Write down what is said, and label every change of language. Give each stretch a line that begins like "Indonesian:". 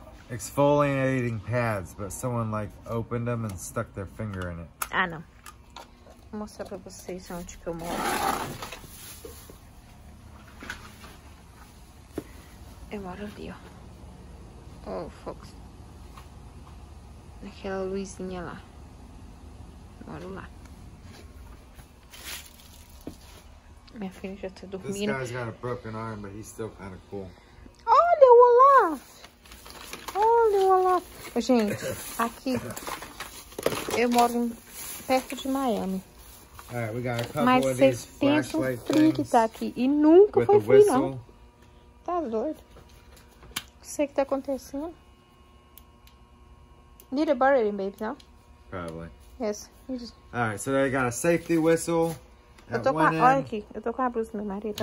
English: Exfoliating pads, but someone like opened them and stuck their finger in it.
Portuguese: Ah, não. Vou mostrar pra vocês onde que eu moro. Eu moro ali, ó. Oh, Fox. Naquela luzinha lá. Moro lá. Minha filha já tá dormindo.
English: This guy's got a broken arm, but he's still kind of cool.
Portuguese: Olha o Olaf! Olha o Olaf! Gente, aqui eu moro perto de Miami.
English: Alright, we got a couple of these flashlight things.
Portuguese: Mas vocês pensam que tá aqui e nunca foi frio, não. Tá doido. O que tá acontecendo?
English: Need a borrowing, babe, não? Probably. Yes. Alright, so they got a safety whistle.
Portuguese: Eu tô com a end, olha aqui. Eu tô com a blusa do meu marido.